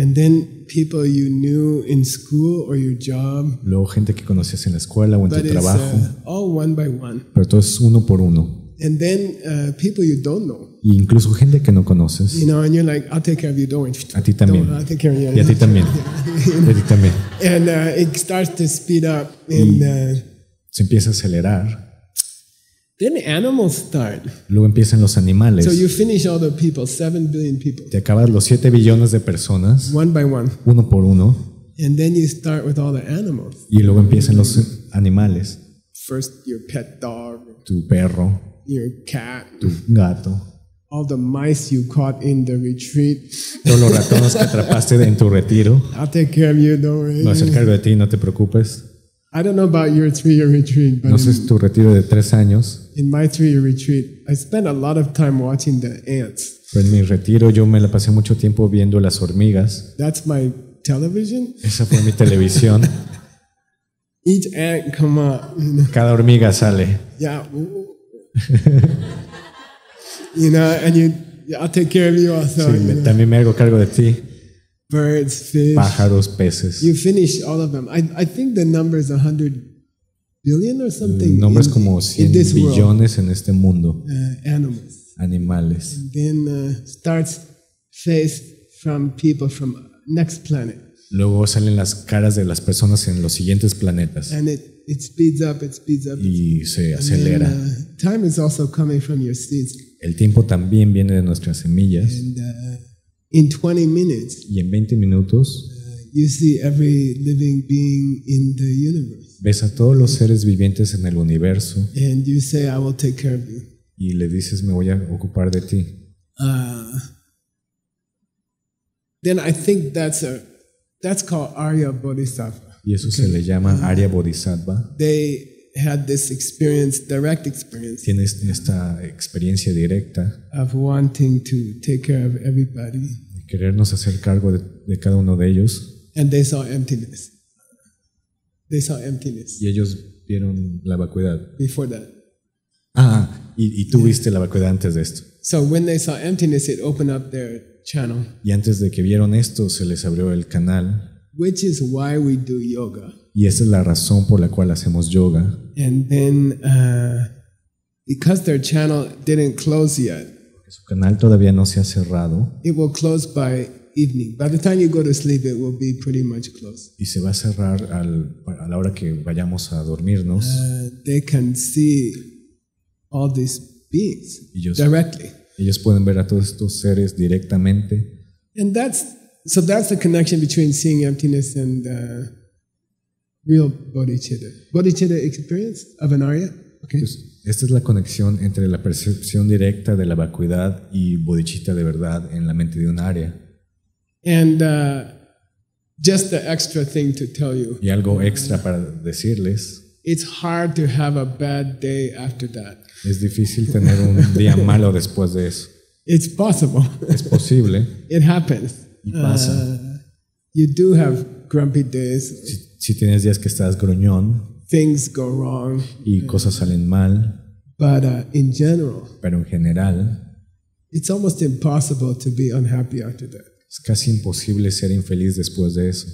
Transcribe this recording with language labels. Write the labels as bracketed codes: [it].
[en] And then people you knew in school or your job. [es] Luego gente que conocías en la escuela o en tu trabajo. [en] All one by one. [es] Pero todo es uno por uno. [en] And then people you don't know. [es] Y incluso gente que no conoces. [en] You know, and you're like, I'll take care of you, don't worry. [es] A ti también. [en] I'll take care of you. [es] Y a ti también. Y a ti también. [en] And it starts to speed up. And [es] se empieza a acelerar. [en] Then animals start. [es] Luego empiezan los animales. [en] So you finish all the people, 7 billion people. [es] Te acabas los 7 billones de personas. [en] One by one. [es] Uno por uno. [en] And then you start with all the animals. [es] Y luego empiezan los animales. [en] First your pet dog. [es] Tu perro. [en] Your cat. [es] Tu gato. [en] All the mice you caught in the retreat. [es] Todos los ratones que atrapaste en tu retiro. [en] I'll take care of you, don't worry. [es] Me voy a hacer cargo de ti, no te preocupes. [en] I don't know about your 3-year retreat, but [es] no sé tu retiro de 3 años. [en] In my 3-year retreat, I spent a lot of time watching the ants. [es] Pero en mi retiro yo me la pasé mucho tiempo viendo las hormigas. [en] That's my television. [es] Esa fue mi televisión. [en] Each ant come up, you know. [es] Cada hormiga sale. [en] Yeah. You know, and you, I'll take care of you also. [es] Sí, [en] you [es] también Me hago cargo de ti. [en] Birds, fish, [es] pájaros, peces. [en] You finish all of them. I think the number is 100 billion or something. [es] El nombre es como 100 billones en este mundo. [en] Animals. [es] Animales. [en] And then starts face from people from next planet. [es] Luego salen las caras de las personas en los siguientes planetas. [en] And it speeds up, it speeds up. [es] Y se acelera. [en] And then, time is also coming from your seeds. [es] El tiempo también viene de nuestras semillas. [en] And, in 20 minutes, [es] y en 20 minutos [en] you see every living being in the universe. [es] Ves a todos los seres vivientes en el universo. [en] And you say, I will take care of you. [es] Y le dices, me voy a ocupar de ti. [en] Then I think that's called Arya Bodhisattva. [es] Y eso okay. Se le llama Arya Bodhisattva. [en] They had this experience, direct experience. [es] Tienes esta experiencia directa. [en] Of wanting to take care of everybody. [es] De querernos hacer cargo de cada uno de ellos. [en] And they saw emptiness. They saw emptiness. [es] Y ellos vieron la vacuidad. [en] Before that. [es] Ah, y tú viste la vacuidad antes de esto. [en] So when they saw emptiness, it opened up their channel. [es] Y antes de que vieron esto, se les abrió el canal. [en] Which is why we do yoga. [es] Y esa es la razón por la cual hacemos yoga. [en] And then, because their channel didn't close yet. [es] Porque su canal todavía no se ha cerrado. [en] It will close by evening. By the time you go to sleep, it will be pretty much closed. [es] Y se va a cerrar a la hora que vayamos a dormirnos. [en] They can see all these beings directly. [es] Ellos pueden ver a todos estos seres directamente. [en] And that's the connection between seeing emptiness and real bodhicitta. Bodhicitta experience of an Arya? Okay. [es] Pues esta es la conexión entre la percepción directa de la vacuidad y bodhicitta de verdad en la mente de un Arya. [en] And just the extra thing to tell you. [es] Y algo extra para decirles. [en] It's hard to have a bad day after that. [es] Es difícil tener un día malo después de eso. [en] It's possible. [es] Es posible. [en] It happens. [es] Y pasa. [en] You do have grumpy days. [es] Si tienes días que estás gruñón. [en] Things go wrong. [es] Y cosas salen mal. [en] But in general. [es] Pero en general. [en] It's almost impossible to be unhappy after that. [es] Es casi imposible ser infeliz después de eso.